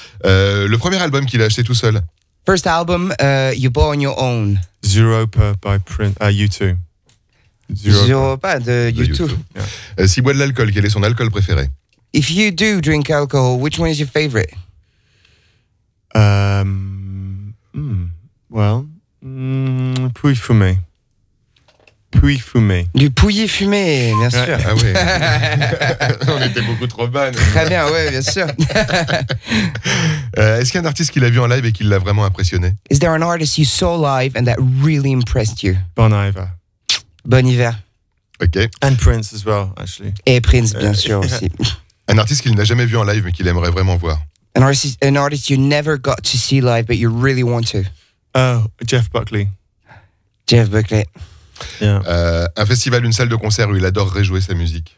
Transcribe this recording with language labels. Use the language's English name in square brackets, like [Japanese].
[French] Le premier album qu'il a acheté tout seul? [English] First album, You Bought on Your Own. Zeropa by Prince. U2. [French] Zeropa de U2. [English] Yeah. [French] S'il boit de l'alcool, quel est son alcool préféré? [English] If you do drink alcohol, which one is your favorite? [French] Pouilly fumé. Pouilly fumé. Du pouilly fumé, bien sûr. Ah oui. On était beaucoup trop bonnes. Très bien, oui, bien sûr. Est-ce qu'il y a un artiste qui l'a vu en live et qui l'a vraiment impressionné? [English] Is there an artist you saw live and that really impressed you? Bon Iver. Bon Iver. Ok. And Prince as well, actually. [French] Et Prince, bien sûr, aussi. Un artiste qu'il n'a jamais vu en live, mais qu'il aimerait vraiment voir. [English] An artist you never got to see live, but you really want to. Jeff Buckley. Yeah. [French] Un festival, une salle de concert où il adorerait jouer sa musique.